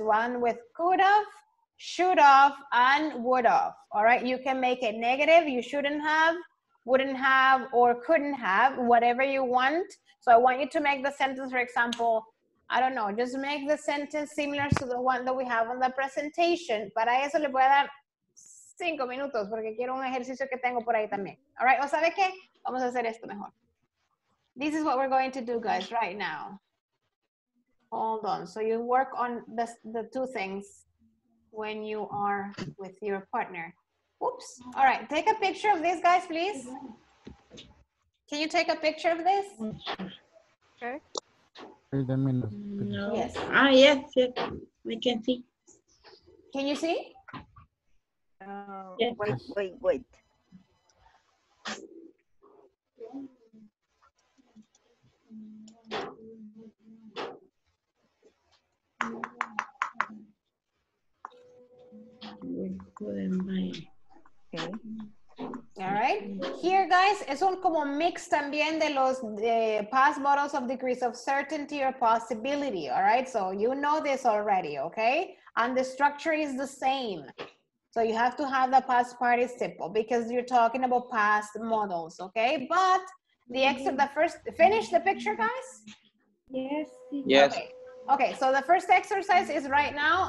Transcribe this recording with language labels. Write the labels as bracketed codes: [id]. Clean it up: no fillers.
[en] One with could have, should have, and would have. All right. You can make it negative. You shouldn't have, wouldn't have, or couldn't have, whatever you want. So I want you to make the sentence, for example, I don't know, just make the sentence similar to the one that we have on the presentation. [es] Para eso le voy a dar 5 minutos, porque quiero un ejercicio que tengo por ahí también. All right, ¿o sabe qué? Vamos a hacer esto mejor. [en] This is what we're going to do, guys, right now. Hold on. So you work on the two things when you are with your partner. Oops. All right, take a picture of this, guys, please. Can you take a picture of this? Okay. Wait a minute. No. Yes. Ah, yes, yes. We can see. Can you see? Yes. Wait. Okay. All right. Here, guys, [es] es un como [en] mix [es] también de los [en] past models of degrees of certainty or possibility. All right. So you know this already, okay? And the structure is the same. So you have to have the past participle because you're talking about past models, okay? But the extra, the first, finish the picture, guys. Yes. Yes. Okay. So the first exercise is right now.